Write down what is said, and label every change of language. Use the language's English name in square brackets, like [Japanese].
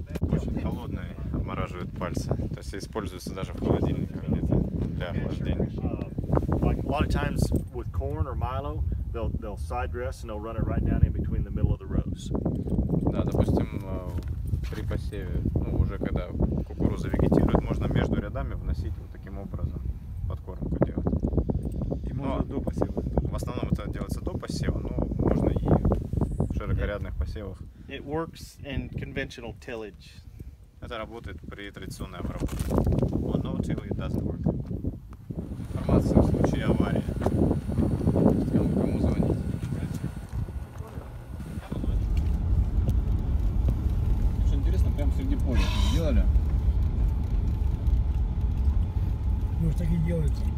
[Russian] Очень холодное, обмораживает пальцы. То есть используется даже в холодильниках где-то для охлаждения. [English] Like a lot of times with corn or milo, they'll side dress and they'll run it right down in between the middle of the rows. [Russian] Да, допустим, при посеве, ну уже когда кукуруза вегетирует, можно между рядами вносить вот таким образом подкормку делать. И можно до посева. В основном это делается до посева, но можно и в широкорядных посевах. [English] It works in conventional tillage. [Russian] Это работает при традиционной обработке. [English] On no till it doesn't work. [Russian] Информация в случае аварии. Кому звонить? Очень интересно, прямо среди поля делали? Может, так и делается.